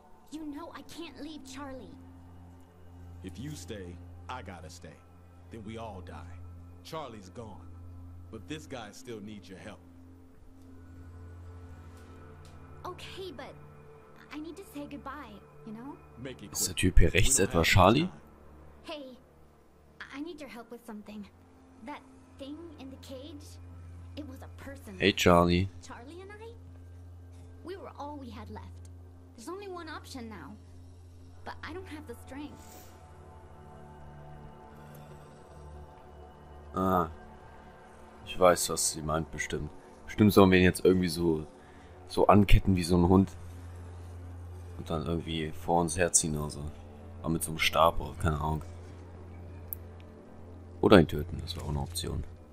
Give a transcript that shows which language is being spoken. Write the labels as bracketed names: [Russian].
[English] You know I can't leave Charlie. If you stay, I gotta stay. Then we all die. Charlie's gone. But this guy still needs your help. Okay, but I need to say goodbye. You know? Make it quick. [German] Ist der Typ hier rechts etwa Charlie? [English] Hey, I need your help with something. That thing in the cage, it was a person. Hey, Charlie. Charlie and I, we were all we had left. There's only one option now. But I don't have the strength. Ah. [German] Ich weiß, was sie meint, bestimmt. Bestimmt sollen wir ihn jetzt irgendwie so anketten wie so ein Hund. Und dann irgendwie vor uns herziehen oder so. Aber mit so einem Stab oder keine Ahnung. Oder ihn töten, das wäre auch eine Option.